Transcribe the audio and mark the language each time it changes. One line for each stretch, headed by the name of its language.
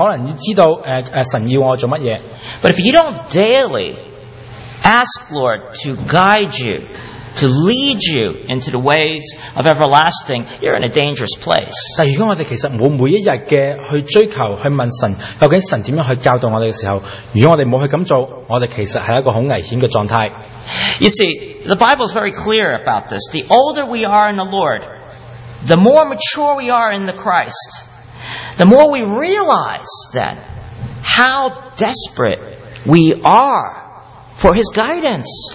Chinese: 如果我们是譬如说在教会是一段时间，或者我们已经是一个基督徒的时候，我们可能会觉得，我已经可能知道神要我做什么。
English: But if you don't daily ask Lord to guide you, to lead you into the ways of everlasting, you're in a dangerous place.
Chinese: 但如果我们其实没有每一日的去追求，去问神，究竟神怎样去教导我们的时候，如果我们没有去这么做，我们其实是一个很危险的状态。
English: You see, the Bible is very clear about this. The older we are in the Lord, the more mature we are in the Christ, the more we realize then how desperate we are for His guidance.